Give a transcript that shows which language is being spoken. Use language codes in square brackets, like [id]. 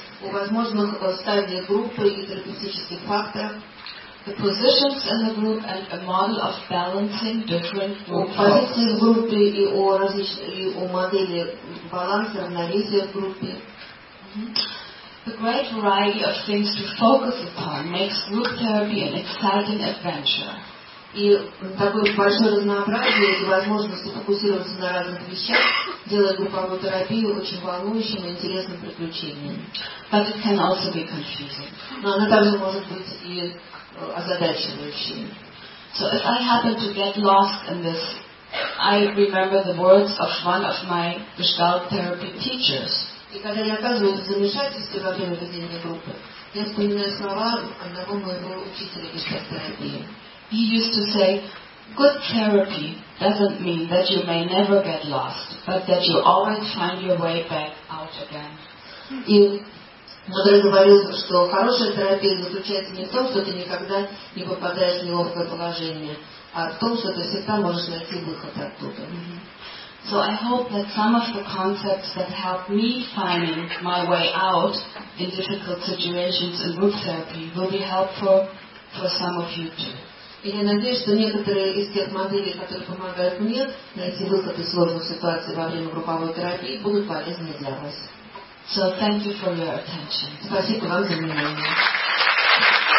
[ru] О возможных стадиях группы и терапевтических факторов. [en] The positions in the group and a model of balancing different groups. [ru] Позиции в группе и о различных моделях баланса, равновесия в группе. [en] The great variety of things to focus upon makes group therapy an exciting adventure. [ru] И такое большое разнообразие и возможность фокусироваться на разных вещах делает групповую терапию очень волнующим и интересным приключением. [en] But it can also be confusing. [ru] Но она также может быть и озадачивающей. [en] So if I happen to get lost in this, I remember the words of one of my Gestalt therapy teachers. [ru] И когда я оказываюсь в замешательстве во время ведения группы, я вспоминаю слова одного моего учителя Gestalt терапии. [en] He used to say, good therapy doesn't mean that you may never get lost, but that you always find your way back out again. [ru] И мудрый говорил, что хорошая терапия заключается не в том, что ты никогда не попадаешь в неловкое положение, а в том, что ты всегда можешь найти выход оттуда. [en] So I hope that some of the concepts that help me finding my way out in difficult situations in group therapy will be helpful for some of you too. [ru] И я надеюсь, что некоторые из тех моделей, которые помогают мне найти выход из сложных ситуаций во время групповой терапии, будут полезны для вас. [en] So thank you for your attention. [ru] Спасибо вам за внимание.